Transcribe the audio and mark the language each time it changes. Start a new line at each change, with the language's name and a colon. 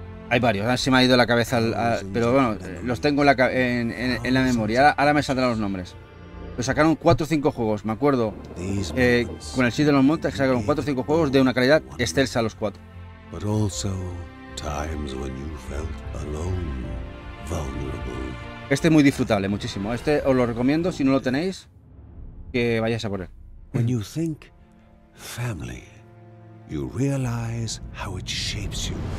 Spanish: Hay varios, se me ha ido la cabeza, pero bueno, los tengo en la memoria. Ahora me saldrán los nombres. Pero sacaron 4 o 5 juegos, me acuerdo. Con el Children of Morta sacaron 4 o 5 juegos de una calidad excelsa a los 4.
English: But also times when you felt alone, vulnerable.
Spanish: Este es muy disfrutable, muchísimo. Este os lo recomiendo, si no lo tenéis, que vayáis a por él.
English: When you think family, you realize how it shapes you.